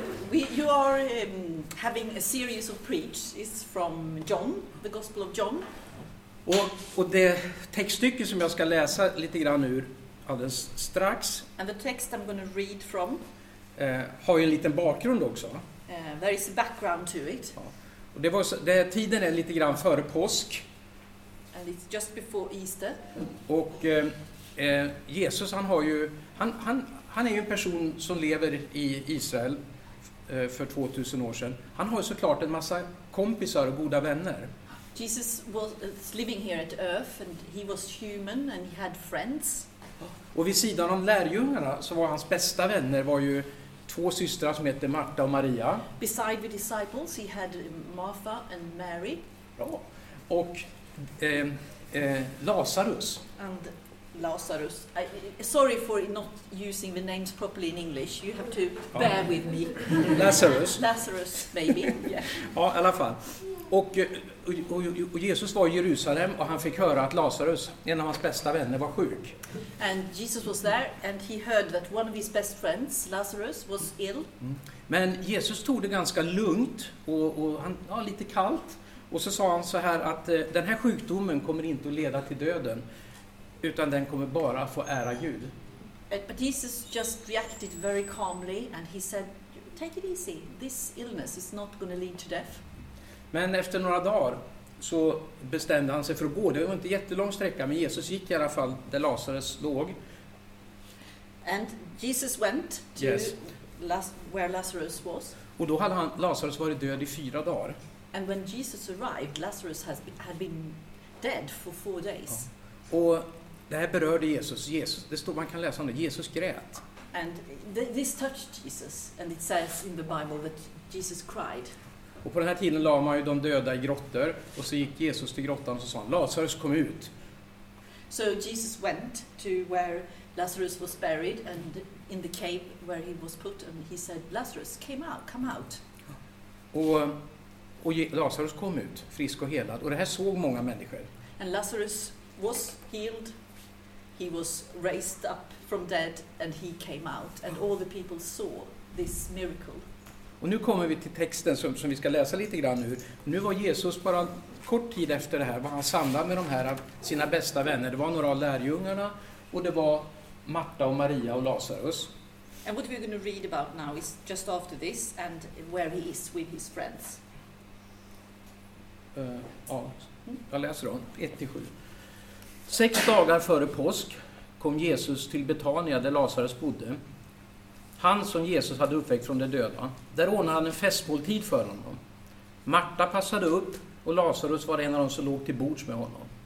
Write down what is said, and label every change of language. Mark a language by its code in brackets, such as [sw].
[en] We are having a series of preach. It's from John, the Gospel of John. [sv] Och det textstycke som jag ska läsa lite grann ur alldeles strax. [en] And the text I'm going to read from. [sv] Har ju en liten bakgrund också. [en] There is a background to it. [sv] Ja. Och det var så, det, tiden är lite grann före påsk. [en] And it's just before Easter. [sv] Och Jesus, han har ju, han är ju en person som lever i Israel för 2000 år sedan. Han har ju såklart en massa kompisar och goda vänner. [en] Jesus was living here at earth and he was human and he had friends. [sv] Och vid sidan av lärjungarna så var hans bästa vänner var ju två systrar som hette Marta och Maria. [en] Beside the disciples he had Martha and Mary. [sv] Bra. Och Lazarus. [en] And Lazarus. Sorry for not using the names properly in English. You have to bear with me. Lazarus. Lazarus, maybe. Yeah. [sv] Ja, i alla fall. Och Jesus var i Jerusalem och han fick höra att Lazarus, en av hans bästa vänner, var sjuk. [en] And Jesus was there and he heard that one of his best friends, Lazarus, was ill. Mm. [sv] Men Jesus tog det ganska lugnt och han var lite kallt. Och så sa han så här att den här sjukdomen kommer inte att leda till döden, utan den kommer bara få ära Gud. [en] But Jesus just reacted very calmly and he said, take it easy, this illness is not going to lead to death. [sv] Men efter några dagar så bestämde han sig för att gå. Det var inte jättelång sträcka, men Jesus gick i alla fall där Lazarus låg. [en] And Jesus went to yes. Where Lazarus was. [sv] Och då hade Lazarus varit död i 4 dagar. [en] And when Jesus arrived, Lazarus had been dead for 4 days. [sv] Ja. Och det här berörde Jesus. Jesus, det står, man kan läsa om det. Jesus grät. [en] And this touched Jesus and it says in the Bible that Jesus cried. [sv] Och på den här tiden la man ju de döda i grottor och så gick Jesus till grottan och så sa han, Lazarus, kom ut. [en] So Jesus went to where Lazarus was buried and in the cave where he was put and he said, Lazarus, come out. [sv] Och Lazarus kom ut frisk och helad och det här såg många människor. [en] And Lazarus was healed. He was raised up from dead and he came out and all the people saw this miracle. [sv] Och nu kommer vi till texten som vi ska läsa lite grann ur. Nu var Jesus bara kort tid efter det här var han samlad med de här sina bästa vänner. Det var några av lärjungarna och det var Marta och Maria och Lazarus. [en] And what we're going to read about now is just after this and where he is with his friends. [sv] Ja, jag läser om 1-7. 6 dagar före påsk kom Jesus till Betania där Lazarus bodde. Han som Jesus hade uppväckt från de döda. Där ordnade han en festmåltid för honom. Marta passade upp och Lazarus var en av dem som låg till bords med honom.